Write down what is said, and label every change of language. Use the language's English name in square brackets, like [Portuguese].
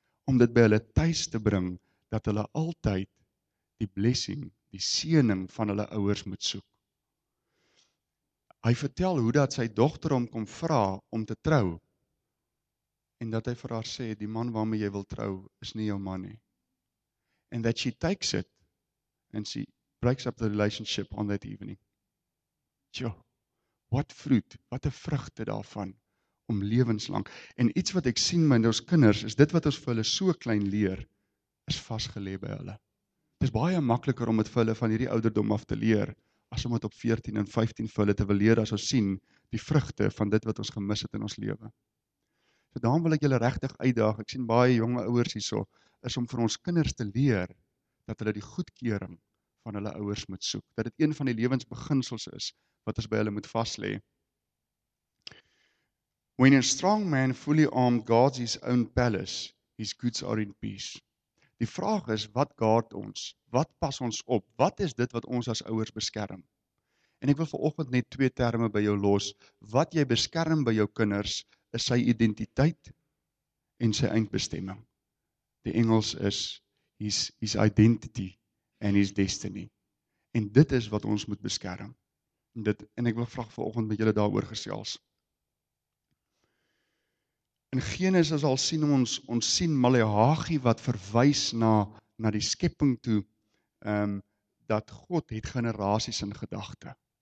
[Afrikaans] Om dit by hulle tuis te bring, dat hulle altyd die blessing, die seëning van hulle ouers moet soek. Hy vertel hoe dat sy dogter hom kom vra om te trou, en dat hy vir haar sê, die man waarmee jy wil trou, is nie jou man nie. [English] And that she takes it, and she breaks up the relationship on that evening. [Afrikaans] Tjoh, wat vruit, wat 'n vrugte daarvan, om lewenslang. En iets wat ek sien met ons kinders, is dit wat ons vir hulle so klein leer, is vasgelê by hulle. Dit is baie makliker om dit vir hulle van hierdie ouderdom af te leer, as om dit op 14 en 15 vir hulle te wil leer, as ons sien die vrugte van dit wat ons gemis het in ons lewe. So daarom wil ek julle regtig uitdaag, ek sien baie jonge ouers hierso, is om vir ons kinders te leer, dat hulle die goedkeuring van hulle ouers moet soek. Dat dit een van die lewensbeginsels is, wat ons by hulle moet vaslê. [English] When a strong man fully armed guards his own palace, his goods are in peace. [Afrikaans] Die vraag is, wat guard ons? Wat pas ons op? Wat is dit wat ons as ouers beskerm? En ek wil vanoggend net twee terme by jou los. Wat jy beskerm by jou kinders is sy identiteit en sy eindbestemming. Die Engels is [English] his identity and his destiny. [Afrikaans] En dit is wat ons moet beskerm. En ek wil vraag vanoggend met julle daaroor gesels. In Genesis, as al sien ons sien Maleagi wat verwys na die skepping toe, dat God het generasies in gedagte.